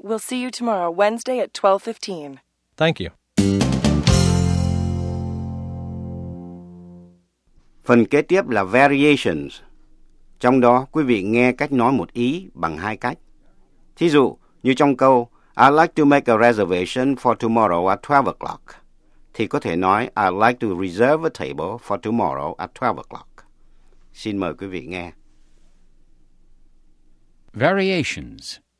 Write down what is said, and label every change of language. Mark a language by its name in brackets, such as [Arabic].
[English] We'll see you tomorrow, Wednesday at 12:15. Thank you. [Vietnamese] Phần kế tiếp là variations. Trong đó, quý vị nghe cách nói một ý bằng hai cách. Thí dụ, như trong câu, [English] I'd like to make a reservation for tomorrow at 12 o'clock. [Vietnamese] Thì có thể nói, [English] I'd like to reserve a table for tomorrow at 12 o'clock. [Vietnamese] Xin mời quý vị nghe. [English] Variations.